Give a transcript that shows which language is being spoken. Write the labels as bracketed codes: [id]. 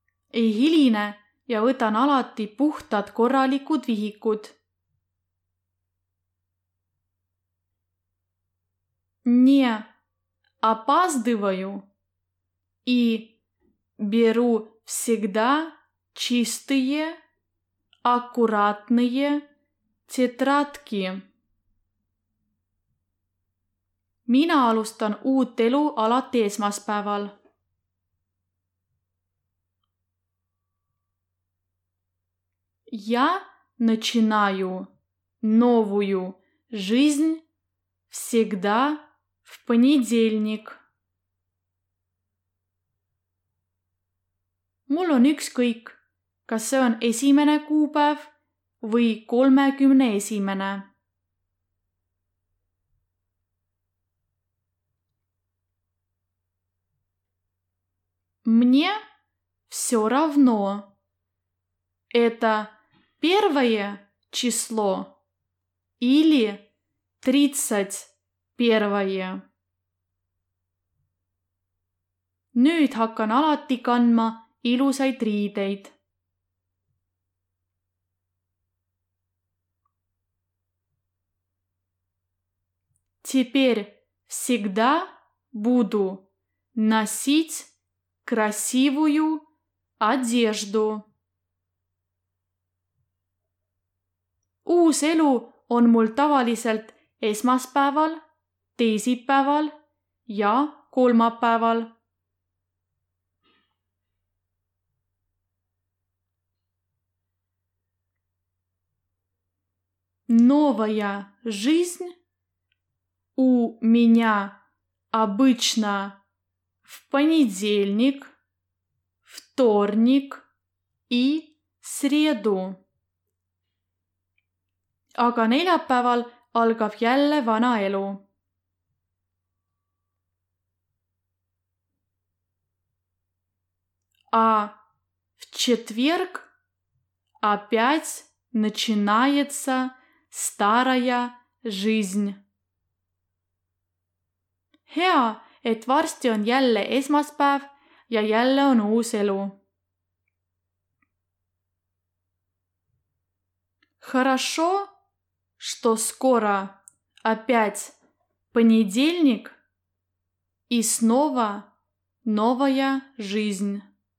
[et] Ei hiline ja võtan alati puhtad korralikud vihikud. [ru] Не опаздываю и беру всегда чистые, аккуратные тетрадки. [et] Mina alustan uut elu alati esmaspäeval. [ru] Я начинаю новую жизнь всегда в понедельник. [et] Mul on ükskõik, kas see on 1. kuupäev või 31. [ru] Мне все равно. Это 1. Число или 31. [et] Nüüd hakkan alati kandma ilusaid riideid. [ru] Теперь всегда буду носить красивую одежду. [et] Uus elu on mul tavaliselt esmaspäeval, teisipäeval ja kolmapäeval. [ru] Новая жизнь у меня обычно в понедельник, вторник и среду. [et] Aga neljapäeval algab jälle vana elu. [ru] А в четверг опять начинается старая жизнь. [et] Hea, et varsti on jälle esmaspäev ja jälle on uus elu. [ru] Хорошо, что скоро опять понедельник и снова новая жизнь.